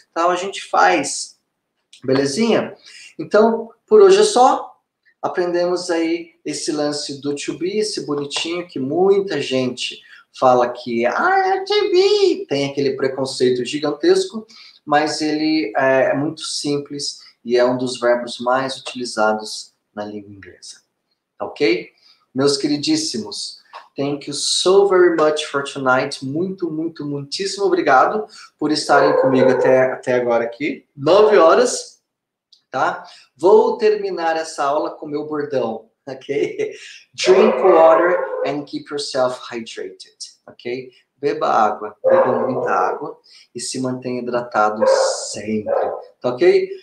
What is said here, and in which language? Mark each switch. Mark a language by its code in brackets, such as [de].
[pt] Tal, a gente faz, belezinha? Então, por hoje é só, aprendemos aí esse lance do to be, esse bonitinho que muita gente fala que é to be, tem aquele preconceito gigantesco, mas ele é muito simples e é um dos verbos mais utilizados na língua inglesa. Ok? Meus queridíssimos, [en] thank you so very much for tonight. [pt] Muito, muito, muitíssimo obrigado por estarem comigo até agora aqui. 9 horas, tá? Vou terminar essa aula com meu bordão, ok? [en] Drink water and keep yourself hydrated, ok? [pt] Beba água, beba muita água e se mantenha hidratado sempre, tá ok?